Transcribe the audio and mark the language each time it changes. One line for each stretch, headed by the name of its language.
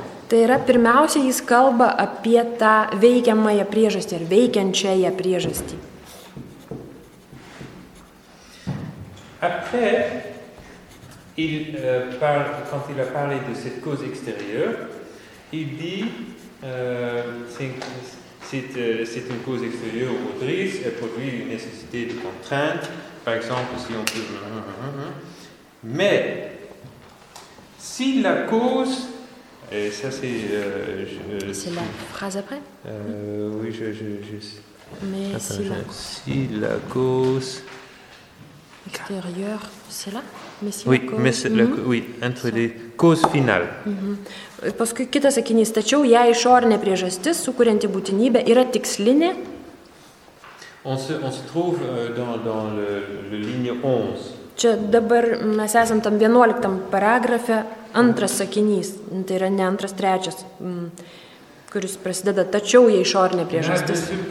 Lithuanian: Tai yra, pirmiausia, jis kalba apie tą veikiamąją priežastį ar veikiančiąją priežastį.
French: Après, il parle, quand il a parlé de cette cause extérieure, il dit, c'est une cause extérieure ou motrice, elle produit une nécessité de contrainte, par exemple, si on peut... Mais, si la cause, et ça c'est... c'est la phrase après Oui, je sais. Mais après, si, si la cause... Extérieure, c'est là mais si Oui, la cause... mais c'est la... oui, entre ça. Les causes finales. Mm-hmm. Parce que,
Lithuanian: kitas sakinys, tačiau, jei išorinė priežastis, sukurianti būtinybė, yra tikslinė...
French: On se trouve dans le ligne 11.
Lithuanian: Čia dabar mes esam tam 11 paragrafe, antras sakinys, tai yra ne antras, trečias, kuris prasideda, tačiau jie išorinė priežastis.